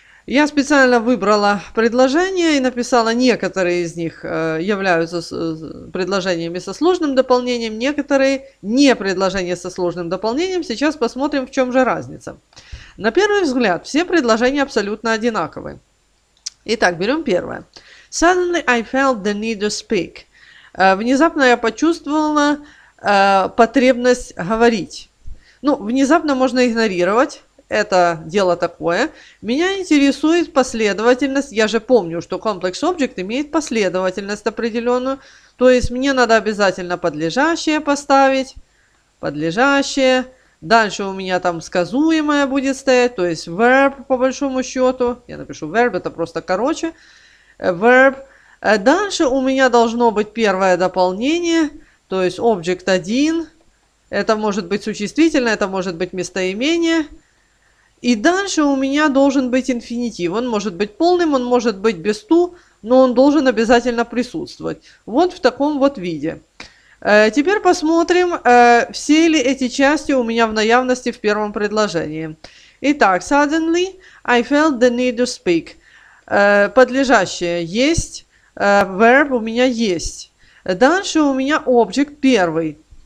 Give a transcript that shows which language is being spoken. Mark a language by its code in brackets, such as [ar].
[ru] Я специально выбрала предложения и написала, некоторые из них являются предложениями со сложным дополнением, некоторые не предложения со сложным дополнением. Сейчас посмотрим, в чем же разница. На первый взгляд, все предложения абсолютно одинаковые. Итак, берем первое. [en] Suddenly I felt the need to speak. [ru] Внезапно я почувствовала потребность говорить. Ну, внезапно можно игнорировать. Это дело такое. Меня интересует последовательность. Я же помню, что complex object имеет последовательность определенную. То есть мне надо обязательно подлежащее поставить. Подлежащее. Дальше у меня там сказуемое будет стоять. То есть verb по большому счету. Я напишу verb, это просто короче. Verb. Дальше у меня должно быть первое дополнение. То есть object 1. Это может быть существительное, это может быть местоимение. И дальше у меня должен быть инфинитив. Он может быть полным, он может быть без to, но он должен обязательно присутствовать. Вот в таком вот виде. Теперь посмотрим, все ли эти части у меня в наявности в первом предложении. Итак, [en] suddenly I felt the need to speak. [ru] Подлежащее есть, verb у меня есть. Дальше у меня object первый.